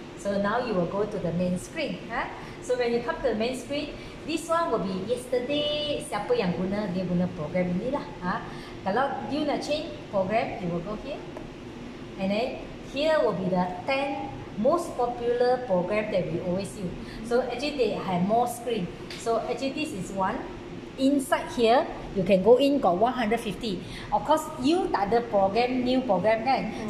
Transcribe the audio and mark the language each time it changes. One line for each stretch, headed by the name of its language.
English: So now you will go to the main screen. Huh? So when you come to the main screen, this one will be yesterday.
Malay: Siapa yang guna, dia guna program ini lah. Huh? Kalau
English: you
Malay: nak
English: change program, you will go here. And then here will be the 10 most popular program that we always use. So actually they have more screen. So actually this is one. Inside here, you can go in, got 150. Of course, you
Malay: tak ada
English: program, new program kan? Mm-hmm.